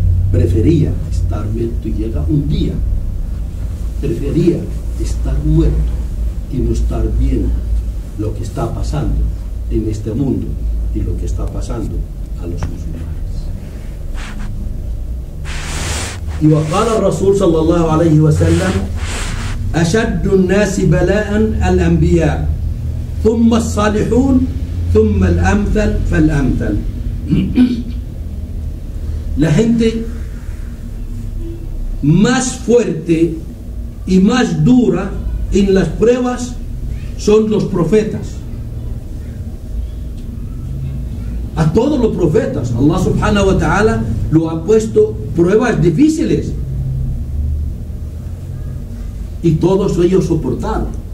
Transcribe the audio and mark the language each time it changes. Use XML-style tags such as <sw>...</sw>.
<es>Prefería estar muerto, y llega un día, prefería estar muerto y no estar bien lo que está pasando en este mundo y lo que está pasando a los musulmanes.</es> <ar>Y وقال الرسول صلى الله عليه وسلم أشد الناس بلاء الأنبياء ثم الصالحون ثم الأمثل فالأمثل.</ar> <es>La gente más fuerte y más dura en las pruebas son los profetas. A todos los profetas Allah subhanahu wa ta'ala lo ha puesto pruebas difíciles y todos ellos soportaron.</es>